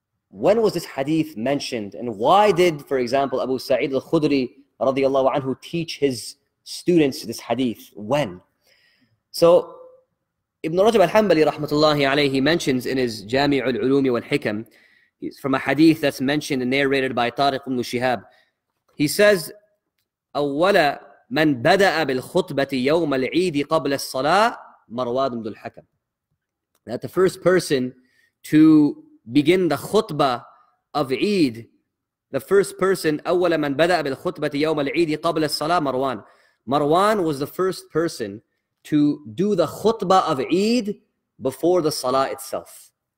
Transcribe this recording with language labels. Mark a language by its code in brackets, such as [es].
[en] When was this hadith mentioned? And why did, for example, Abu Sa'id al-Khudri radiallahu anhu teach his students this hadith? When? So Ibn Rajab al-Hanbali rahmatullahi alayhi mentions in his Jami' al-Ulumi wal-Hikam, he's from a hadith that's mentioned and narrated by Tariq ibn Shihab. [ar] He says, أولا من بدأ بالخطبة يوم العيد قبل الصلاة مرواد بن الحكم. [en] That the first person to begin the khutbah of Eid, the first person, أولا من بدأ بالخطبة يوم العيد قبل الصلاة مروان. Marwan was the first person to do the khutbah of Eid before the salah itself.